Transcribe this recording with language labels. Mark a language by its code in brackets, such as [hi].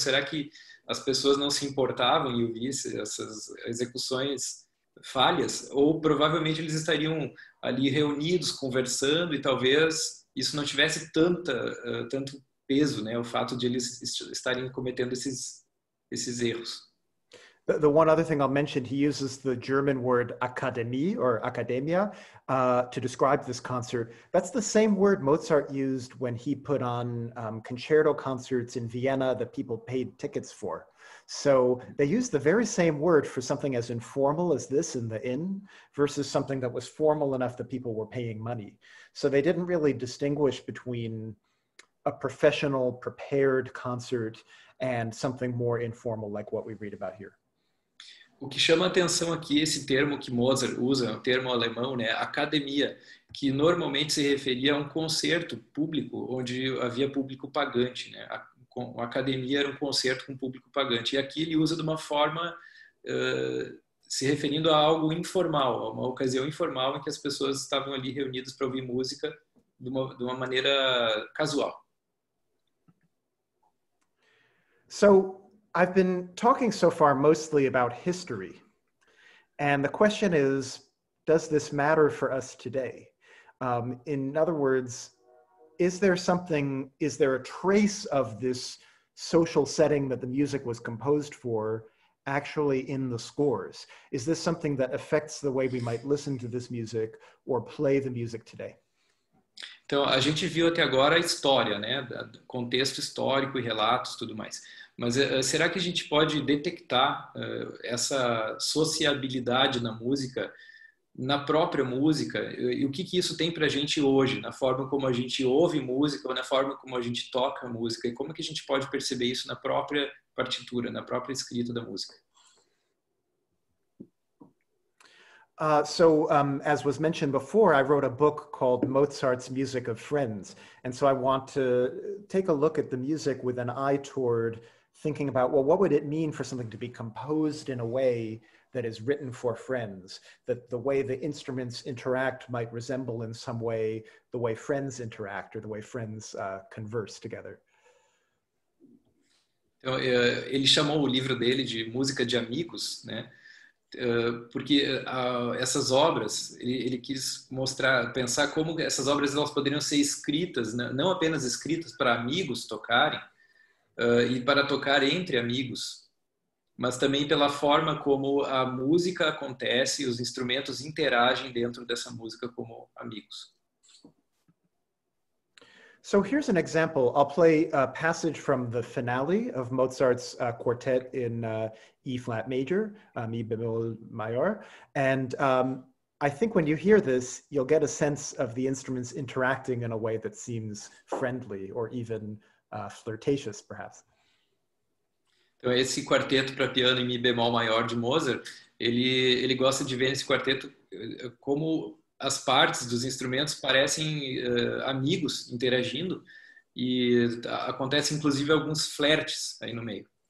[pt] Será que as pessoas não se importavam em ouvir essas execuções falhas? Ou provavelmente eles estariam ali reunidos, conversando, e talvez isso não tivesse tanto peso, né? O fato de eles estarem cometendo esses erros. [en] The one other thing I'll mention, he uses the German word Akademie or Academia to describe this concert. That's the same word Mozart used when he put on concerto concerts in Vienna that people paid tickets for. So they use the very same word for something as informal as this in the inn versus something that was formal enough that people were paying money. So they didn't really distinguish between a professional prepared concert and something more informal like what we read about here. [pt] O que chama atenção aqui é esse termo que Mozart usa, um termo alemão, né? Academia, que normalmente se referia a um concerto público onde havia público pagante, né? A academia era um concerto com público pagante. E aqui ele usa de uma forma se referindo a algo informal, a uma ocasião informal em que as pessoas estavam ali reunidas para ouvir música de uma maneira casual. [en] So I've been talking so far mostly about history. And the question is, does this matter for us today? In other words, is there a trace of this social setting that the music was composed for actually in the scores? Is this something that affects the way we might listen to this music or play the music today? [pt] Então, a gente viu até agora a história, né? Contexto histórico e relatos, tudo mais. Mas será que a gente pode detectar essa sociabilidade na música, na própria música? E o que isso tem para a gente hoje, na forma como a gente ouve música, ou na forma como a gente toca música? E como que a gente pode perceber isso na própria partitura, na própria escrita da música? [en] As was mentioned before, I wrote a book called Mozart's Music of Friends. And so I want to take a look at the music with an eye toward thinking about, well, what would it mean for something to be composed in a way that is written for friends, that the way the instruments interact might resemble in some way the way friends interact or the way friends converse together. [pt] Então, ele chamou o livro dele de Música de Amigos, né? Porque essas obras, ele quis mostrar, pensar como essas obras elas poderiam ser escritas, né? Não apenas escritas para amigos tocarem, e para tocar entre amigos, mas também pela forma como a música acontece, os instrumentos interagem dentro dessa música como amigos. [en] So here's an example. I'll play a passage from the finale of Mozart's quartet in E flat major, [pt] Mi bemol maior. [en] And I think when you hear this, you'll get a sense of the instruments interacting in a way that seems friendly or even flirtatious, perhaps. [pt] Então, esse quarteto para piano em Mi bemol maior de Mozart, ele gosta de ver esse quarteto como as partes dos instrumentos parecem amigos interagindo e acontece inclusive alguns flertes aí no meio.